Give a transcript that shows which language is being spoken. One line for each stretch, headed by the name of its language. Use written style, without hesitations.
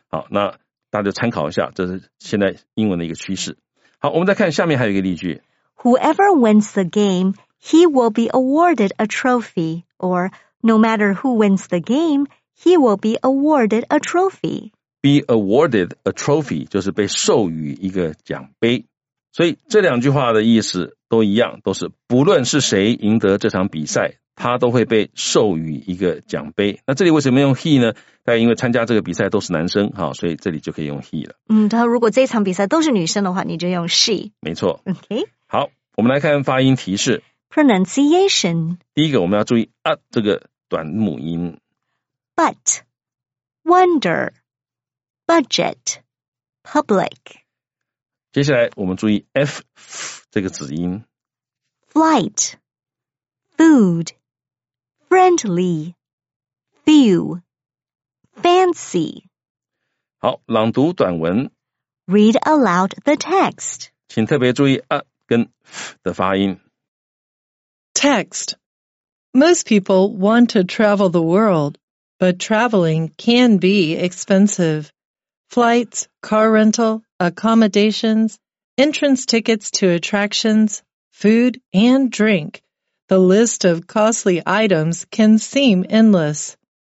Chinese: 好那大家参考一下这是现在英文的一个趋势好，我们再看下面还有一个例句。
English: Whoever wins the game, he will be awarded a trophy. Or, no matter who wins the game, he will be awarded a trophy. Be awarded a trophy
Chinese: 就是被授予一个奖杯。所以这两句话的意思都一样，都是不论是谁赢得这场比赛，他都会被授予一个奖杯。那这里为什么用 he 呢？大概因为参加这个比赛都是男生，好，所以这里就可以用 he 了。嗯，他如果这场比赛都是女生的话，你就用 she。没错。 OK。好，我们来看发音提示。
English: Pronunciation。
Chinese: 第一个，我们要注意啊这个短母音。
English: But, wonder, budget, public。
Chinese: 接下来我们注意 f 这个子音。
English: Flight。 Food, friendly, few, fancy.
Chinese: 好，朗读短文。
English: Read aloud the text.
Chinese: 请特别注意啊跟 f 的发音。
English: Text. Most people want to travel the world, but traveling can be expensive. Flights, car rental, accommodations, entrance tickets to attractions, food and drink. The list of costly items can seem endless.